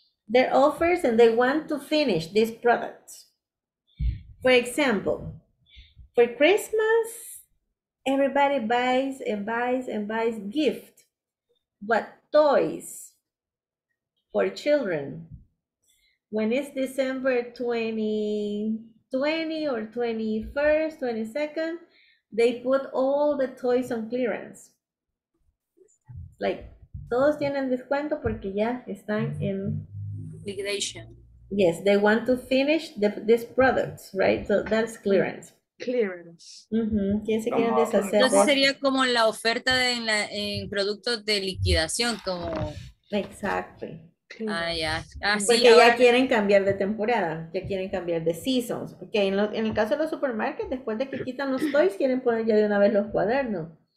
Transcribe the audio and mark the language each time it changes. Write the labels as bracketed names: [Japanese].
[English] Their offers, and they want to finish this product. For example, for Christmas, everybody buys and buys and buys gift. But toys for children, when it's December 2020 or 21st, 22nd, they put all the toys on clearance. [Spanish] Like, todos tienen descuento porque ya están en [English] liquidation. Yes, they want to finish this product, right? So that's clearance. Clearance. [Spanish] Mm-hmm. ¿Quién se entonces sería como la oferta de en productos de liquidación, como. [English] Exactly. [Spanish] Ah, ya. Yeah. Porque ya ahora quieren cambiar de temporada, ya quieren cambiar de seasons. Okay, en el caso de los supermercados, después de que quitan los toys, quieren poner ya de una vez los cuadernos.